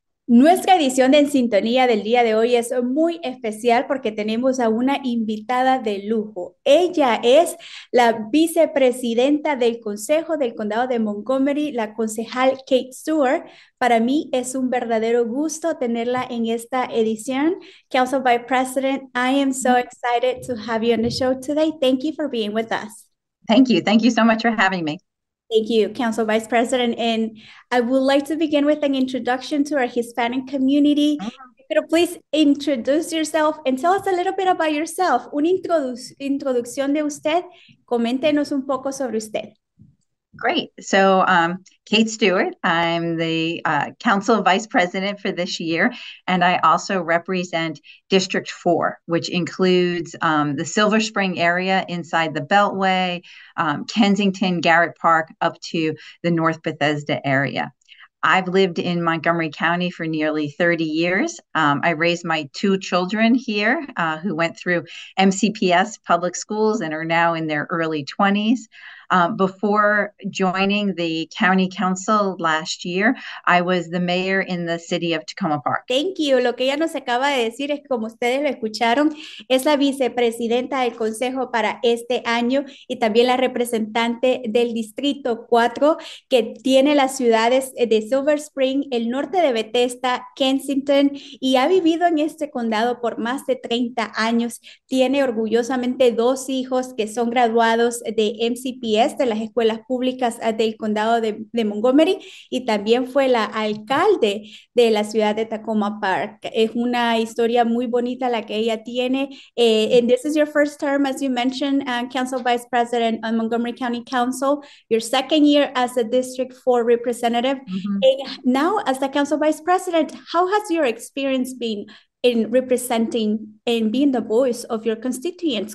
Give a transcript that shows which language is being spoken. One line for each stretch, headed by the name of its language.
Spanish: Nuestra edición de En Sintonía del día de hoy es muy especial porque tenemos a una invitada de lujo. Ella es la vicepresidenta del Consejo del Condado de Montgomery, la concejal Kate Stewart. Para mí es un verdadero gusto tenerla en esta edición.
English: Council by President, I am so excited to have you on the show today. Thank you for being with us. Thank you so much for having me. Thank you, Council Vice President. And I would like to begin with an introduction to our Hispanic community. Could you please introduce yourself and tell us a little bit about yourself?
Spanish: Una introducción de usted. Coméntenos un poco sobre usted.
English: Great. So, Kate Stewart, I'm the Council Vice President for this year, and I also represent District 4, which includes the Silver Spring area inside the Beltway, Kensington, Garrett Park, up to the North Bethesda area. I've lived in Montgomery County for nearly 30 years. I raised my two children here who went through MCPS public schools and are now in their early 20s. Before joining the county council last year, I was the mayor in the city of Tacoma Park. Thank you.
Spanish: Lo que ella nos acaba de decir es, como ustedes lo escucharon, es la vicepresidenta del Consejo para este año y también la representante del Distrito 4, que tiene las ciudades de Silver Spring, el norte de Bethesda, Kensington, y ha vivido en este condado por más de 30 años. Tiene orgullosamente dos hijos que son graduados de MCPS, de las escuelas públicas del condado de Montgomery, y también fue la alcalde de la ciudad de Tacoma Park. Es una historia muy bonita la que ella tiene.
English: And this is your first term, as you mentioned, Council Vice President on Montgomery County Council, your second year as a District 4 representative. And now, as the Council Vice President, how has your experience been in representing and being the voice of your constituents?